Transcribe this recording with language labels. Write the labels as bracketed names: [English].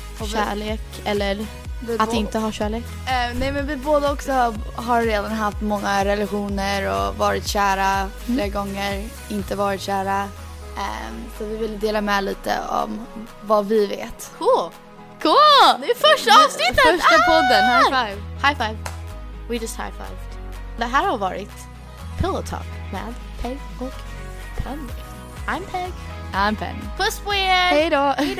[Swedish] Kärlek eller att inte ha kärlek. Nej, men vi båda också har redan haft många relationer och varit kära flera gånger, inte varit kära. Så vi ville dela med lite om vad vi vet. Cool. Cool. Det är första avsnittet! Första podden, high five. [English] High five. We just high fived. [Swedish] Det här har varit Pillow Talk med Peg och Penny. [English] I'm Peg. I'm Penny. [Swedish] Puss på er! Hej då!